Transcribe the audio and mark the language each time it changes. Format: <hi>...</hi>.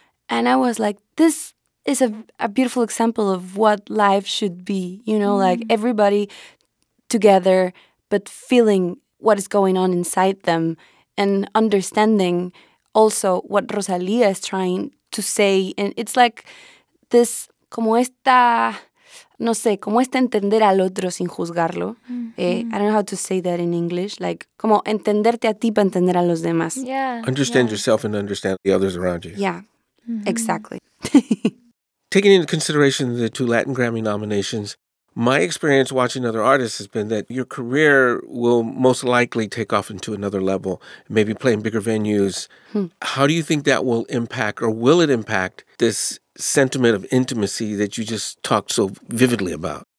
<en>And I was like, this is a beautiful example of what life should be, you know, like everybody together, but feeling what is going on inside them. And understanding also what Rosalía is trying to say. And it's like</en> <es>this, como esta, no sé, como esta entender al otro sin juzgarlo.</es> <en>Mm-hmm. I don't know how to say that in English.</en> <es>Like, como entenderte a ti para entender a los demás.</es> <en>Yeah. Understand yeah. yourself and understand the others around you. Yeah, mm-hmm. exactly. Taking into consideration the two Latin Grammy nominations, my experience watching other artists has been that your career will most likely take off into another level, maybe play in bigger venues. Hmm. How do you think that will impact, or will it impact, this sentiment of intimacy that you just talked so vividly about?</en>